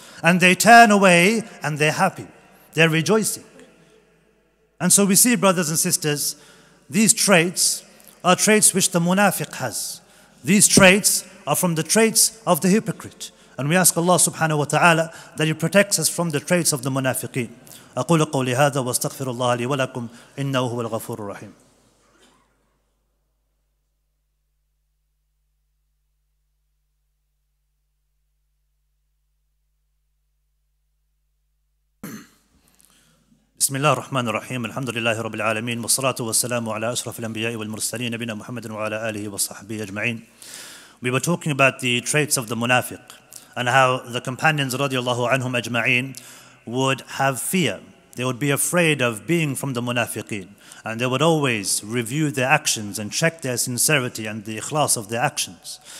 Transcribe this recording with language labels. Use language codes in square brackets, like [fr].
[en] And they turn away and they're happy. They're rejoicing. And so we see, brothers and sisters, these traits are traits which the munafiq has. These traits are from the traits of the hypocrite. And we ask Allah subhanahu wa ta'ala that He protects us from the traits of the munafiqeen. [ar] أقول قولي هذا واستغفر الله لي ولكم إنه هو الغفور الرحيم. بسم الله الرحمن الرحيم الحمد لله رب العالمين والصلاة والسلام على أشرف الأنبياء والمرسلين نبينا محمد وعلى آله وصحبه أجمعين. [en] We were talking about the traits of the munafiq and how the companions [ar] رضي الله عنهم أجمعين [en] would have fear. They would be afraid of being from the munafiqeen. And they would always review their actions and check their sincerity and the ikhlas of their actions.